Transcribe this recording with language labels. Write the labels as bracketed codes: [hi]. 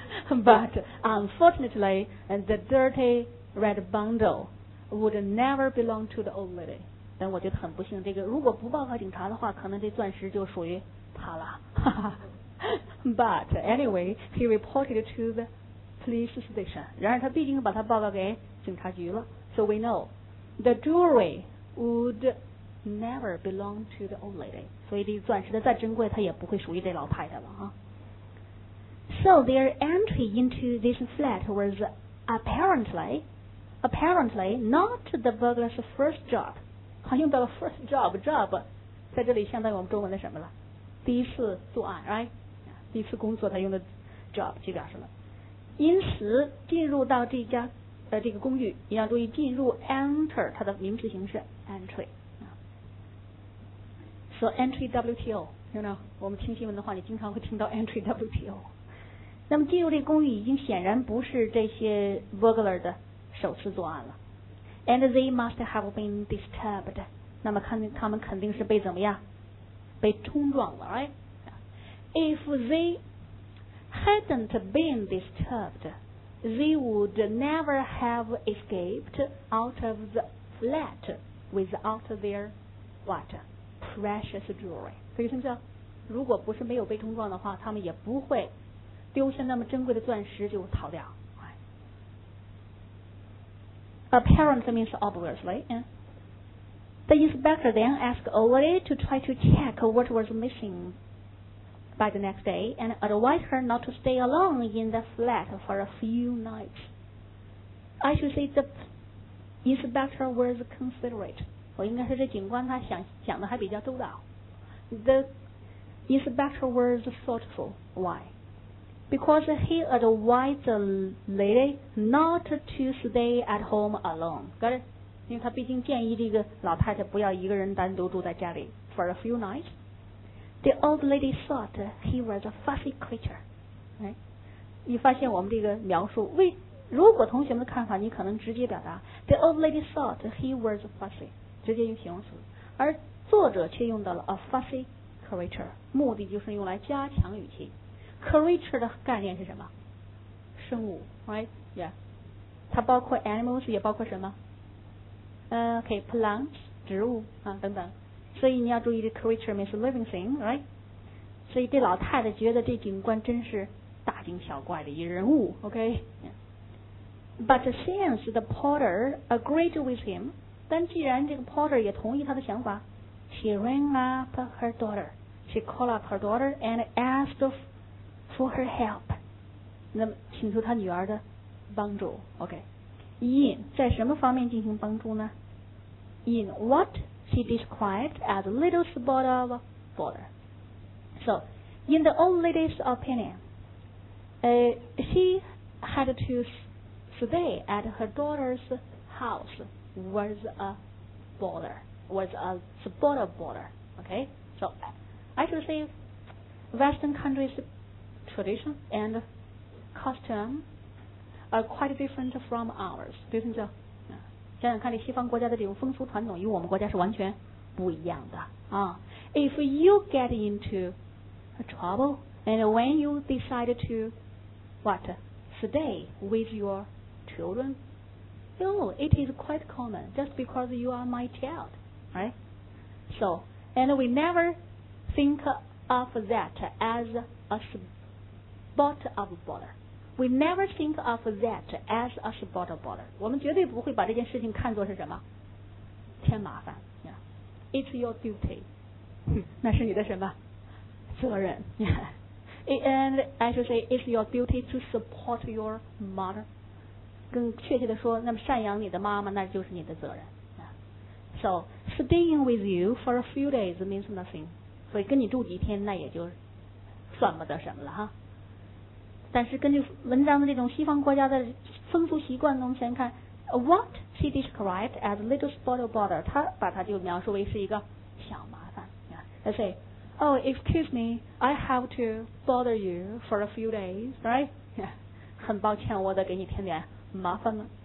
[en] But unfortunately, the dirty red bundle would never belong to the old lady. [zh] 但我觉得很不幸，这个如果不报告警察的话，可能这钻石就属于他了。 [en] But anyway, he reported to the police station. [zh] 然而他毕竟把他报告给警察局了。 [en] So we know the jewelry would never belong to the old lady. [zh] 所以这个钻石的再珍贵，它也不会属于这老太太了啊。 [en] So their entry into this flat was apparently not the burglar's first job. [zh] 好像到了 [en] first job [zh] 在这里相当于我们中文的什么了，第一次作案 right， 第一次工作他用的 job 去表示了。因此进入到这家这个公寓，你要注意进入 enter 它的名词形式 entry。 [en] So entry WTO， you know， [zh] 我们听新闻的话你经常会听到 [en] entry WTO。 [zh] 那么进入这个公寓已经显然不是这些 burglar 的首次作案了。 [en] And they must have been disturbed. [zh] 那么他们肯定是被怎么样？被冲撞了 ，right？ [en] If they hadn't been disturbed, they would never have escaped out of the flat without their what? Precious jewelry. [zh] 所以是不是？如果不是没有被冲撞的话，他们也不会丢下那么珍贵的钻石就逃掉。 [en] Apparently means obviously. The inspector then asked Ollie to try to check what was missing by the next day and advised her not to stay alone in the flat for a few nights. I should say the inspector was considerate. [zh] 我应该说这警官他想的还比较周到。 [en] The inspector was thoughtful. Why? Because he advised the lady not to stay at home alone. Got it? [zh] 因为他毕竟建议这个老太太不要一个人单独住在家里 [en] for a few nights. The old lady thought he was a fussy creature. Right? [zh] 你发现我们这个描述，如果同学们的看法，你可能直接表达 [en] the old lady thought he was fussy， [zh] 直接用形容词，而作者却用到了 [en] a fussy creature， [zh] 目的就是用来加强语气。 Creature 的概念是什么？生物 ，right？ [en] Yeah， [zh] 它包括 animals， 也包括什么？可以 plants， 植物啊等等。所以你要注意，这 [en] creature means living thing， right？ [zh] 所以这老太太觉得这警官真是大惊小怪的一人物 ，OK？ [en] But since the porter agreed with him， [zh] 但既然这个 porter 也同意他的想法 [en] ，she rang up her daughter， she called up her daughter and asked for her help， [zh] 那么请求她女儿的帮助 ， [en] OK， in [zh] 在什么方面进行帮助呢 [en] ？In what she described as a little spot of border. So, in the old lady's opinion, she had to stay at her daughter's house was a border, was a spot of border. OK, so I should say, Western countries. Tradition and custom are quite different from ours. [zh] 对不对？想想看，这西方国家的这种风俗传统与我们国家是完全不一样的啊。 [en] If you get into a trouble and when you decide to what stay with your children, no, it is quite common just because you are my child, right? So, and we never think of that as a spot of bother. We never think of that as a spot of bother. [zh] 我们绝对不会把这件事情看作是什么？添麻烦。 [en] Yeah. It's your duty. [zh] 那是你的什么？责任。 [en] Yeah. And I should say, it's your duty to support your mother. [zh] 更确切地说，那么赡养你的妈妈，那就是你的责任。 [en] So staying with you for a few days means nothing. [zh] 所以跟你住几天，那也就算不得什么了哈。但是根据文章的这种西方国家的风俗习惯，我们先看 [en] what she described as little spot of bother. [zh] 她把它就描述为是一个小麻烦。 [en] Let's say, oh, excuse me, I have to bother you for a few days, right? [zh] 很抱歉，我得给你添点。麻烦了。